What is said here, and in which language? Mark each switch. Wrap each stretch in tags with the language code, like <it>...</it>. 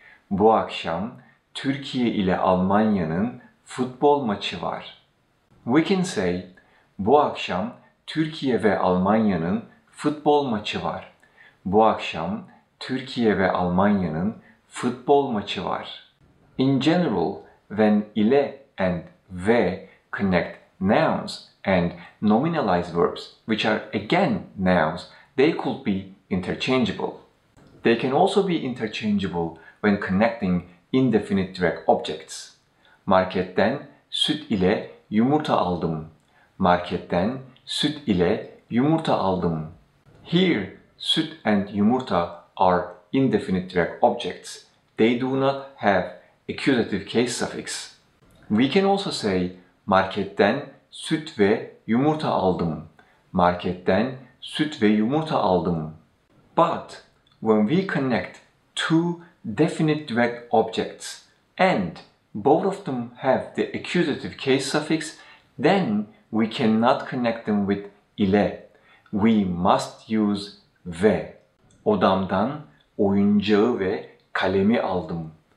<tr>Bu akşam Türkiye ile Almanya'nın futbol maçı var.</tr> <en>We can say,</en> <tr>bu akşam Türkiye ve Almanya'nın futbol maçı var. Bu akşam Türkiye ve Almanya'nın futbol maçı var.</tr> <en>In general, when ile and ve connect nouns and nominalized verbs, which are again nouns, they could be interchangeable. They can also be interchangeable when connecting indefinite direct objects.</en> <tr>Marketten süt ile yumurta aldım. Marketten süt ile yumurta aldım.</tr> <en>Here, süt and yumurta are indefinite direct objects. They do not have accusative case suffix. We can also say, marketten süt ve yumurta aldım.</en> <tr>Marketten süt ve yumurta aldım.</tr> <en>But when we connect two definite direct objects and both of them have the accusative case suffix, then we cannot connect them with ile. We must use ve.</en> <tr>Odamdan oyuncağı ve kalemi aldım.</tr>